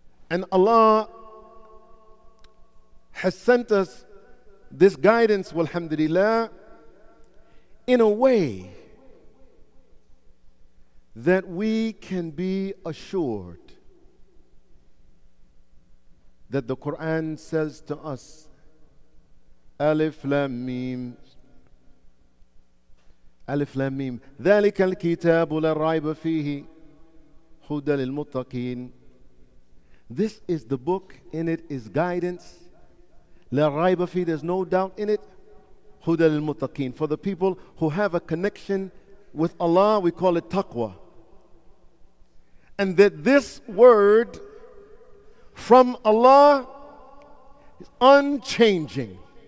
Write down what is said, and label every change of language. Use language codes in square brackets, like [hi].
[en] And Allah has sent us this guidance, alhamdulillah, in a way that we can be assured that the Quran says to us, Alif Lam Mim. [ar] Alif Lam Mim. ذلك الكتاب لا ريب فيه هدى للمتقين. [en] This is the book, in it is guidance. [ar] لا ريب فيه, [en] there's no doubt in it. [ar] هدى للمتقين. [en] For the people who have a connection with Allah, we call it taqwa. And that this word from Allah is unchanging.